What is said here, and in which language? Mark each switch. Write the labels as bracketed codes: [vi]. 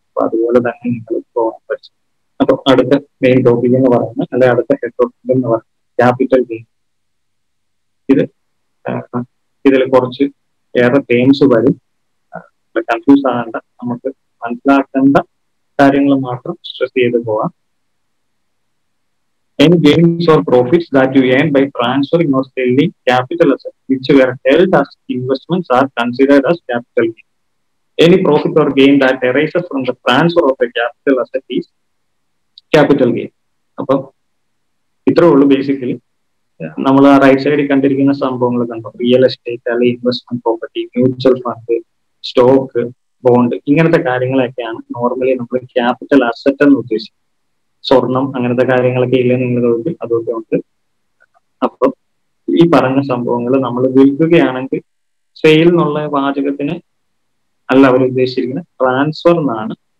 [ml] അപ്പൊ അതുപോലെ തന്നെ നിങ്ങൾ പോകാൻ പറ്റും. അപ്പൊ അടുത്ത മെയിൻ ടോപ്പിക് എന്ന് പറയുന്നത് അല്ലെ അടുത്ത ഹെഡ് ടോപ്പിക് എന്ന് പറയുന്നത് ക്യാപിറ്റൽ ഗെയിൻ. ഇതിൽ കുറച്ച് ഏറെ ഗെയിംസ് വരും, കൺഫ്യൂസ് ആകേണ്ട, നമുക്ക് മനസ്സിലാക്കേണ്ട കാര്യങ്ങൾ മാത്രം സ്ട്രെസ് ചെയ്ത് പോവാം. [en] Any gains or profits that you earn by transferring or selling capital assets which were held as investments are considered as capital gain. Any profit or gain that arises from the transfer of a capital asset is capital gain. [ml] അപ്പോൾ ഇത്രേ ഉള്ളൂ basically. നമ്മൾ ആ right സൈഡിൽ കണ്ടിരിക്കുന്ന സംഭവങ്ങൾ കണ്ടോ, real estate അല്ലെങ്കിൽ investment property, mutual fund, stock, bond, ഇങ്ങനത്തെ കാര്യങ്ങളൊക്കെയാണ് നോർമലി നമ്മൾ ക്യാപിറ്റൽ അസറ്റ് എന്ന് ഉദ്ദേശിക്കുന്നത്. സ്വർണം അങ്ങനത്തെ കാര്യങ്ങളൊക്കെ ഇല്ലേ നിങ്ങളുടെ വീട്ടിൽ, അതൊക്കെ ഉണ്ട്. അപ്പൊ ഈ പറഞ്ഞ സംഭവങ്ങൾ നമ്മൾ വിൽക്കുകയാണെങ്കിൽ സെയിൽ എന്നുള്ള വാചകത്തിന് അല്ല അവർ ഉദ്ദേശിച്ചിരിക്കുന്നത്, ട്രാൻസ്ഫർ എന്നാണ്.